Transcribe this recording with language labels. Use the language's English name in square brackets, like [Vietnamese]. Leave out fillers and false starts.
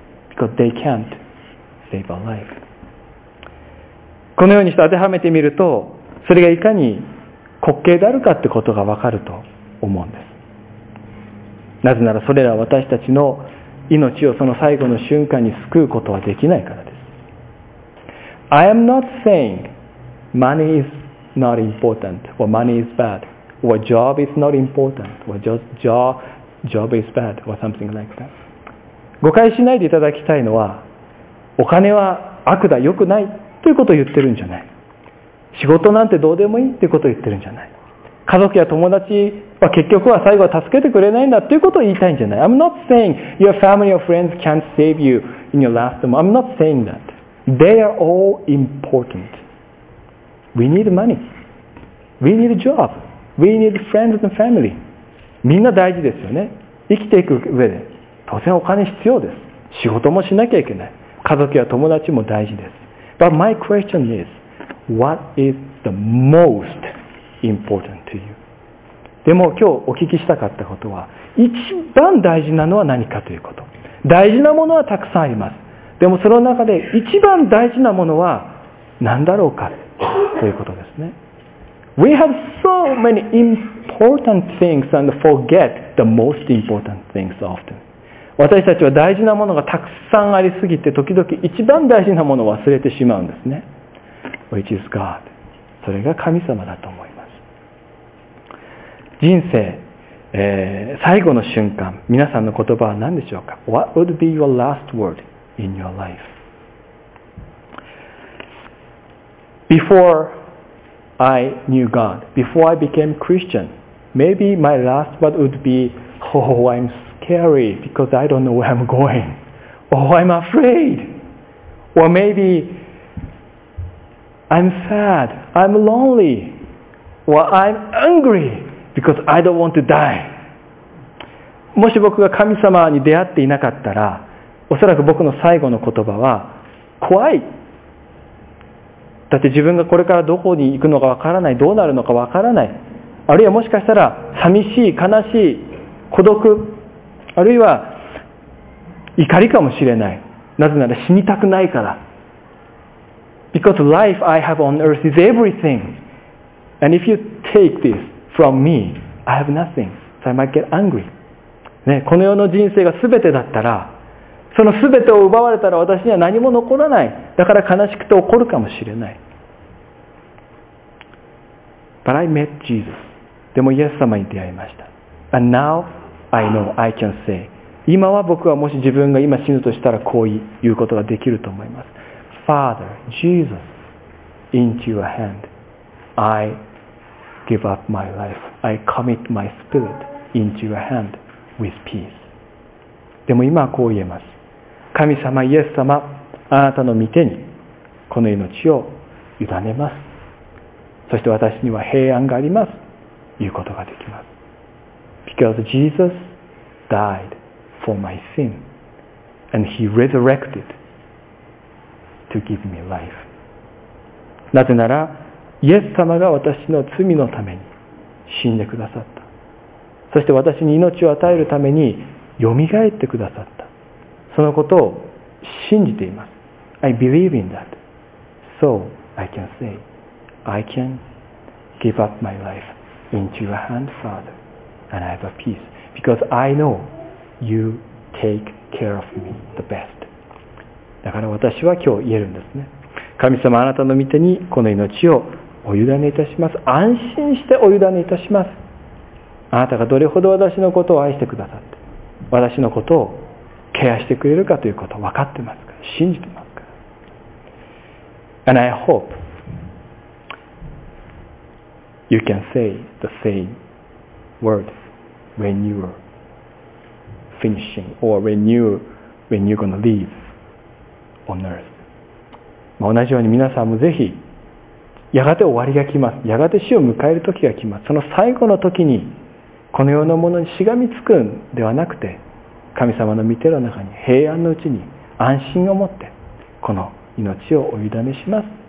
[English] Because they can't save our life. [Japanese] このようにして当てはめてみると、それがいかに滑稽であるかってことがわかると思うんです。なぜならそれらは私たちの命をその最後の瞬間に救うことはできないからです。 [English] I am not saying money is not important or money is bad or job is not important or just job is bad or something like that. [Japanese] 誤解しないでいただきたいのは、お金は悪だ、良くないということを言ってるんじゃない。仕事なんてどうでもいいということを言ってるんじゃない。家族や友達は結局は最後は助けてくれないんだということを言いたいんじゃない。 [English] I'm not saying your family or friends can't save you in your last moment. I'm not saying that. They are all important. We need money. We need a job. We need friends and family. [Japanese] みんな大事ですよね。生きていく上で当然お金必要です。仕事もしなきゃいけない。家族や友達も大事です。 [English] But my question is, what is the most important to you? [Japanese] でも今日お聞きしたかったことは、一番大事なのは何かということ。大事なものはたくさんあります。でもその中で一番大事なものは何だろうかということですね。 [English] We have so many important things and forget the most important things often. [Japanese] 私たちは大事なものがたくさんありすぎて、時々一番大事なものを忘れてしまうんですね。 [English] Which is God. [Japanese] それが神様だと思います。人生、最後の瞬間、皆さんの言葉は何でしょうか。 [English] What would be your last word in your life? Before I knew God, before I became Christian, maybe my last word would be, Oh, I'm scary because I don't know where I'm going. Oh, I'm afraid. Or maybe I'm sad, I'm lonely, or I'm angryBecause I don't want to die. [Japanese] もし僕が神様に出会っていなかったら、おそらく僕の最後の言葉は怖い。だって自分がこれからどこに行くのかわからない、どうなるのかわからない。あるいはもしかしたら寂しい、悲しい、孤独、あるいは怒りかもしれない。なぜなら死にたくないから。 [English] Because life I have on earth is everything, and if you take this. From me, I have nothing, so I might get angry. [Japanese] ね、この世の人生が全てだったら、その全てを奪われたら私には何も残らない。だから悲しくて怒るかもしれない。 [English] But I met Jesus. [Japanese] でもイエス様に出会いました。 [English] And now I know I can say. [Japanese] 今は僕はもし自分が今死ぬとしたらこう言うことができると思います。 [English] Father, Jesus, into your hand, I give up my life. I commit my spirit into your hand with peace. [Japanese] でも今はこう言えます。神様、イエス様、あなたの御手にこの命を委ねます。そして私には平安があります。言うことができます。 [English] Because Jesus died for my sin and he resurrected to give me life. [Japanese] なぜなら、イエス様が私の罪のために死んでくださった。そして私に命を与えるために蘇ってくださった。そのことを信じています。 [English] I believe in that. So I can say, I can give up my life into your hand, Father, and I have a peace. Because I know you take care of me the best. [Japanese] だから私は今日言えるんですね。神様、あなたの御手にこの命をお委ねいたします。安心してお委ねいたします。あなたがどれほど私のことを愛してくださって、私のことをケアしてくれるかということを分かってますか？信じてますか？ [English] And I hope you can say the same words when you are finishing or when you're going to leave on earth. [Japanese] 同じように皆さんもぜひやがて終わりが来ます。やがて死を迎える時が来ます。その最後の時にこの世のものにしがみつくんではなくて、神様の御手の中に平安のうちに安心を持ってこの命をお委ねします。